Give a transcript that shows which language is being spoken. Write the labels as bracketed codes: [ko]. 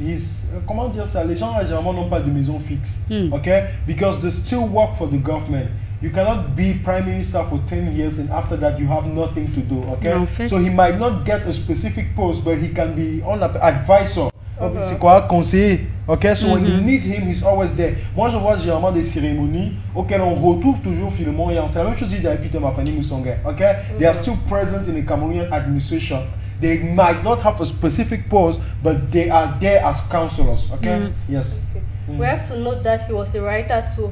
[fr] He's, comment dire ça, les gens généralement n'ont pas de maison fixe, okay? [en] Because they still work for the government. You cannot be prime minister for 10 years and after that you have nothing to do, okay? So he might not get a specific post, but he can be on advisor. [fr] C'est quoi, conseiller? [en] Okay, so when you need him, he's always there. [fr] Moi, je vois généralement des cérémonies auxquelles on retrouve toujours Philemon Yang. C'est la même chose avec Peter Mafani Musonge. [en] Okay, they are still present in the Cameroonian administration. They might not have a specific post, but they are there as counselors. Okay, yes. Okay. We have to note that he was a writer too.